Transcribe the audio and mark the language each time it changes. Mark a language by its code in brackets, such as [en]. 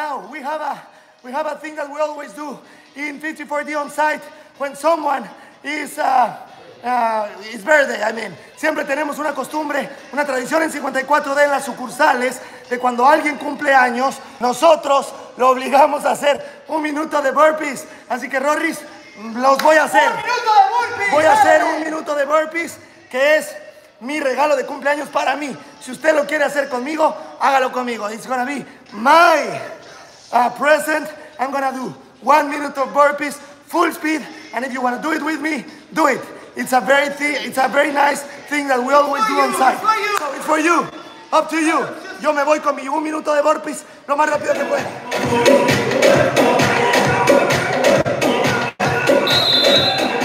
[en] We have a thing that we always do in 54D on site when someone is verde, I mean. [es] Siempre tenemos una costumbre, una tradición en 54D en las sucursales de cuando alguien cumple años, nosotros lo obligamos a hacer 1 minuto de burpees. Así que, Rorris, los voy a hacer. ¡1 minuto de burpees! Voy a hacer 1 minuto de burpees, que es mi regalo de cumpleaños para mí. Si usted lo quiere hacer conmigo, hágalo conmigo. [en] It's gonna be my... present, I'm gonna do 1 minute of burpees, full speed, and if you wanna do it with me, do it. It's a very nice thing that we always do on site. So it's for you, up to you. [es] Yo me voy con mi 1 minuto de burpees lo más rápido que pueda.